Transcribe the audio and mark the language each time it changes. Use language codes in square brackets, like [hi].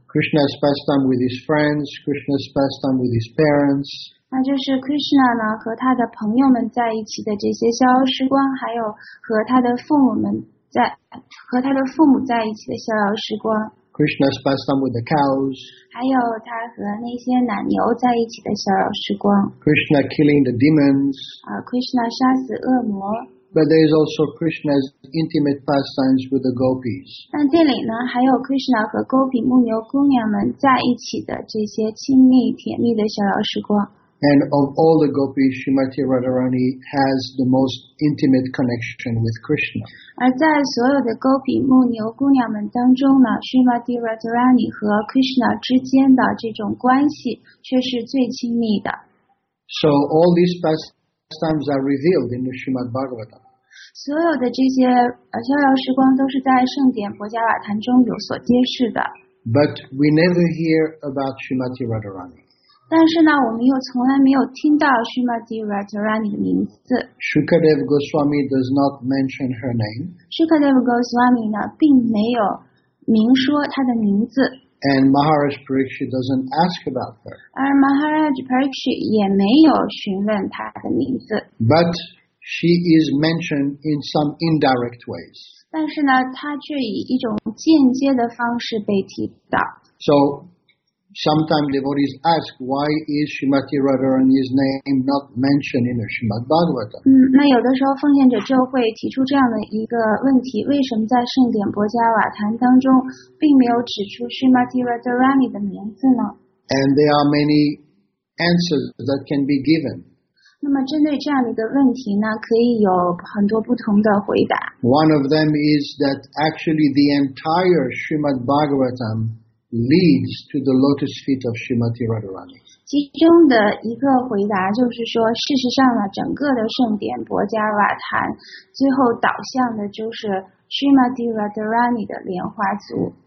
[en] Krishna's pastime with his friends, Krishna's pastime with his parents. [zh] 那就是 Krishna 呢和他的朋友们在一起的这些逍遥时光，还有和他的父母们。在和他的父母在一起的逍遥时光 [en] Krishna spends time with the cows [zh] 还有他和那些奶牛在一起的逍遥时光 [en] Krishna killing the demons [zh] Krishna 杀死恶魔 [en] But there is also Krishna's intimate pastimes with the gopis [zh] 但这里呢还有 Krishna 和 gopi 牧牛姑娘们在一起的这些亲密甜蜜的逍遥时光 [en] And of all the gopis, Srimati Radharani has the most intimate connection with Krishna. [zh] 而在所有的 gopi 牧牛姑娘们当中呢 ，Srimati Radharani 和 Krishna 之间的这种关系却是最亲密的。 [en] So all these pastimes are revealed in the Srimad Bhagavatam. [zh] 所有的这些逍遥时光都是在圣典薄伽瓦坛中有所揭示的。 [en] But we never hear about Srimati Radharani. [zh] 但是呢，我们又从来没有听到 Srimati Radharani 的名字。 [en] Shukadeva Goswami does not mention her name. [zh] Shukadeva Goswami 呢，并没有明说她的名字。 [en] And Maharaj Pariksit doesn't ask about her. [zh] 而 Maharaj Pariksit 也没有询问她的名字。 [en] But she is mentioned in some indirect ways. [zh] 但是呢，她却以一种间接的方式被提到。 [en] So. Sometimes devotees ask, why is Srimati Radharani's name not mentioned in the Srimad Bhagavatam? [zh] 那有的时候奉献者就会提出这样的一个问题，为什么在圣典薄伽瓦坛当中并没有指出 Srimati Radharani 的名字呢？ [en] And there are many answers that can be given. [zh] 那么针对这样的一个问题呢，可以有很多不同的回答。 [en] One of them is that actually the entire Srimad Bhagavatam leads to the lotus feet of Srimati Radharani. [zh] 其中的一个回答就是说，事实上呢，整个的圣典薄伽瓦坛最后导向的就是 Srimati Radharani 的莲花足。